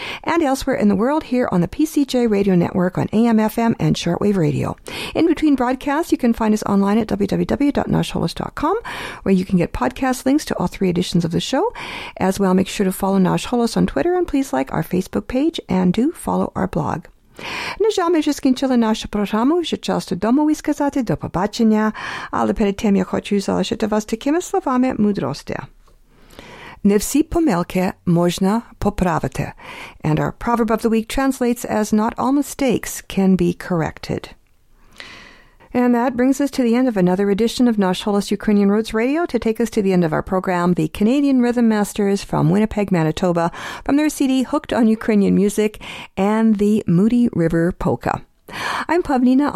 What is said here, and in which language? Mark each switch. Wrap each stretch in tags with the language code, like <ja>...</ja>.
<en>And elsewhere in the world here on the PCJ Radio Network on AM, FM and Shortwave Radio. In between broadcasts, you can find us online at www.nashholos.com, where you can get podcast links to all three editions of the show. As well, make sure to follow Nash Holos on Twitter and please like our Facebook page and do follow our blog.</en> <uk>На жаль, ми вже скінчили нашу програму, вже часто домовий сказати до побачення, але перед тим я хочу залишити вас такими словами мудрості. Не всі помилки можна поправити.</uk> <en>And our proverb of the week translates as not all mistakes can be corrected. And that brings us to the end of another edition of Nash Holos Ukrainian Roots Radio. To take us to the end of our program, the Canadian Rhythm Masters from Winnipeg, Manitoba, from their CD Hooked on Ukrainian Music and the Moody River Polka. I'm Pavlina.</en>